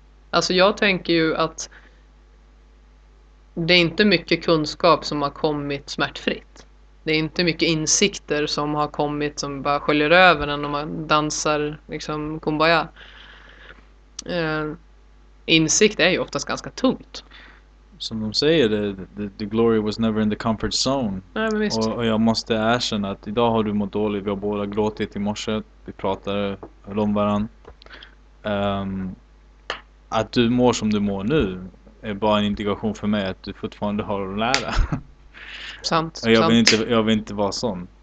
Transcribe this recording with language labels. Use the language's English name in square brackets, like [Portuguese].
[Swedish] Alltså jag tänker ju att det är inte mycket kunskap som har kommit smärtfritt. Det är inte mycket insikter som har kommit som bara sköljer över en när man dansar liksom kumbaya. Insikt är ju oftast ganska tungt. Som de säger, [English] the glory was never in the comfort zone. [Swedish] Nej, men visst. Och jag måste erkänna att idag har du mått dåligt. Vi har båda gråtit i morse. Vi pratade om varandra. Att du mår som du mår nu är bara en indikation för mig att du fortfarande har att lära. Sant. Jag vill inte vara sån.